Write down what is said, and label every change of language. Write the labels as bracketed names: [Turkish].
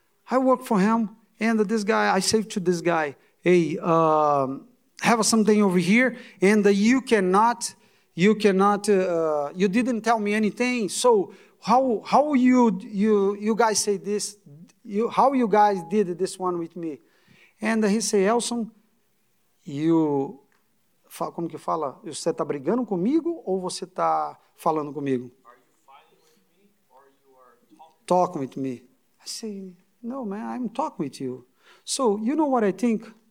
[English] I work for him, and this guy, I say to this guy, hey, have something over here, and you didn't tell me anything, so How you guys did this one with me? And he say, Elson, [Portuguese] como que fala? Você está brigando comigo ou você está falando comigo? [English] Are you fighting with me or you are talking with me? I say, no, man, I'm talking with you. So you know what I think?